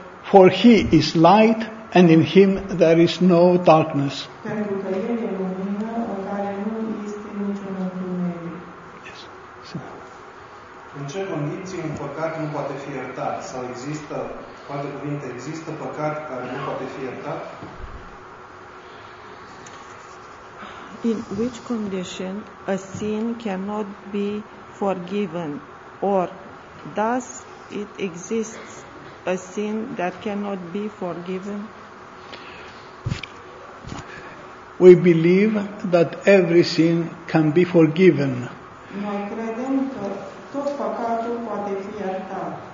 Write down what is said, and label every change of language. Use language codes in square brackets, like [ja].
[en] For He is light and in Him there is no darkness. [ro] Pentru că El e lumină în care nu este niciun întuneric. În ce condiții un păcat nu poate fi iertat? Sau există, cu alte cuvinte, există păcat care nu poate fi iertat? [en] In which condition a sin cannot be forgiven, or does it exist a sin that cannot be forgiven? We believe that every sin can be forgiven. [ro] Noi credem că tot păcatul poate fi iertat.